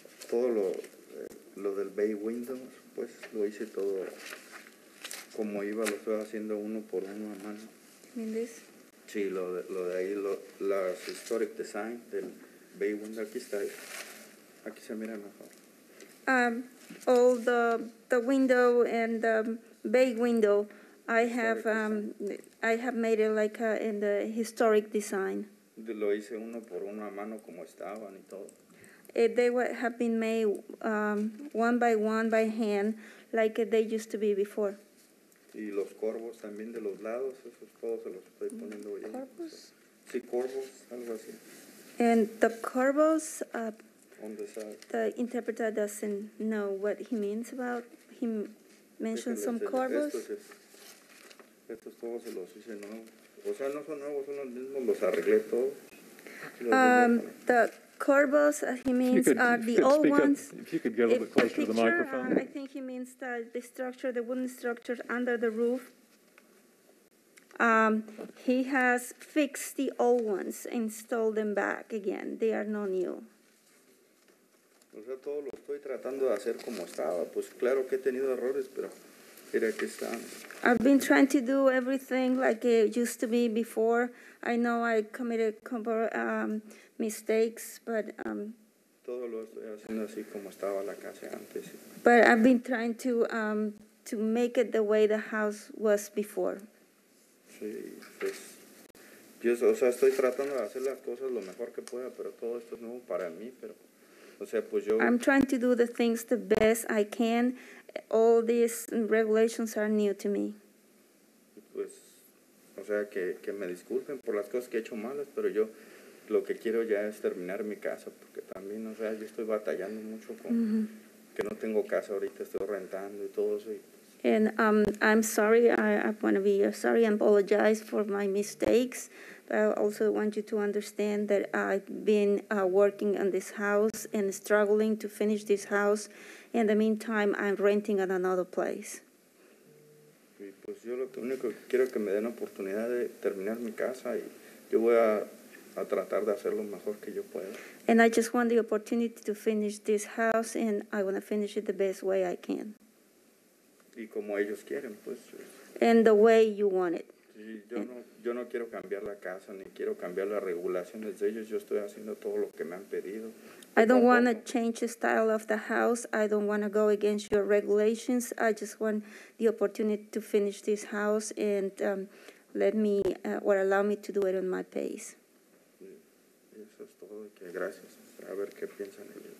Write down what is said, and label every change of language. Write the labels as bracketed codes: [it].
[es] Todo lo del bay window, pues lo hice todo como iba, lo estoy haciendo uno por uno a mano. ¿Mindes? Sí, lo de ahí, las [en] historic design [es] del bay window, aquí está, aquí se mira mejor. [en] All the window and the bay window, I have made it like in the historic design. [es] Lo hice uno por uno a mano como estaban y todo. [en] They have been made one by one by hand, like they used to be before. [es] Y los corvos también de los lados, esos todos se los estoy poniendo bien. Corvos. Sí, corvos, algo así. [en] And the corvos. On the side. The interpreter doesn't know what he means about. He mentioned some corvos. [es] Estos todos se los hice nuevos. O sea, no son nuevos, son los mismos. Los arreglé todos. [en] Corvos, he means, are the old ones. If you could get a little bit closer to the microphone. I think he means the structure, the wooden structure under the roof. He has fixed the old ones, installed them back again. They are not new. [es] O sea, todo lo estoy tratando de hacer como estaba. Pues claro que he tenido errores, pero mira que están. [en] I've been trying to do everything like it used to be before. I know I committed mistakes, but [es] todo lo estoy haciendo así como estaba la casa antes. [en] But I've been trying to make it the way the house was before. [es] Sí, pues yo, o sea, estoy tratando de hacer las cosas lo mejor que pueda, pero todo esto es nuevo para mí, pero o sea, pues yo, [en] I'm trying to do the things the best I can. All these regulations are new to me. [es] Pues o sea, que me disculpen por las cosas que he hecho malas, pero yo lo que quiero ya es terminar mi casa, porque también, o sea, yo estoy batallando mucho con mm-hmm. que no tengo casa ahorita, estoy rentando y todo eso. Y, [en] pues, and I'm sorry, I want to be sorry and apologize for my mistakes, but I also want you to understand that I've been working on this house and struggling to finish this house. In the meantime, I'm renting at another place. [es] Pues yo lo único que quiero es que me den la oportunidad de terminar mi casa y yo voy a tratar de hacer lo mejor que yo pueda. [en] And I just want the opportunity to finish this house and I want to finish it the best way I can. [es] Y como ellos quieren, pues. [en] And the way you want it. [es] Yo no quiero cambiar la casa ni quiero cambiar las regulaciones de ellos. Yo estoy haciendo todo lo que me han pedido. [en] I don't want to change the style of the house. I don't want to go against your regulations. I just want the opportunity to finish this house and allow me to do it on my pace. [es] Eso es todo. Gracias. A ver qué piensan ellos.